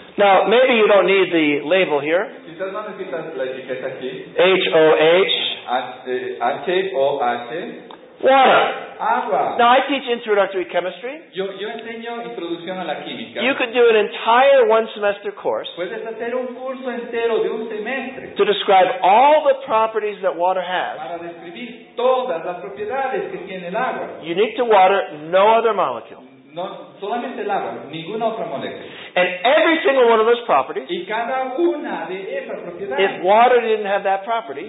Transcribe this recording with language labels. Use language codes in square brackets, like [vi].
[en] Now maybe you don't need the label here. [es] Quizás no necesitas la etiqueta aquí. H-O-H. H-O-H. [en] Water. [es] Agua. [en] Now I teach introductory chemistry. [es] Yo enseño introducción a la química. [en] You could do an entire one semester course. [es] Puedes hacer un curso entero de un semestre. [en] To describe all the properties that water has. [es] Para describir todas las propiedades que tiene el agua. [en] Unique to water, no other molecule. [es] No, solamente el agua, ninguna otra molécula. [en] And every single one of those properties. [es] Y cada una de esas propiedades. [en] If water didn't have that property.